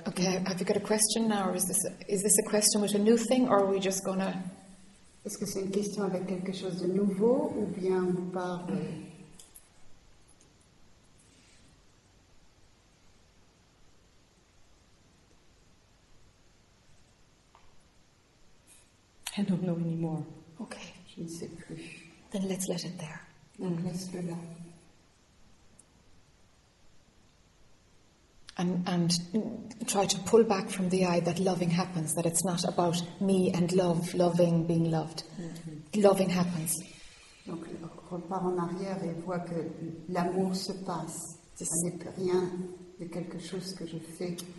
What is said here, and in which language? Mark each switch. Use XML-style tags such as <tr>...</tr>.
<en>Okay, have you got a question now, or is this a question with a new thing, or are we just gonna?</en> <fr>Est-ce que c'est une question avec quelque chose de nouveau, ou bien on parle?</fr> <en>I don't know anymore. Okay.</en> <fr>Je ne sais plus.</fr> <en>Then let's let it there.</en> <fr>Donc laisse-le là.</fr> <en>And try to pull back from the eye that loving happens, that it's not about me and love, loving, being loved. Mm-hmm. Loving happens.</en> <fr>Donc, repart en arrière et vois que l'amour se passe. Ça n'est plus rien de quelque chose que je fais.</fr>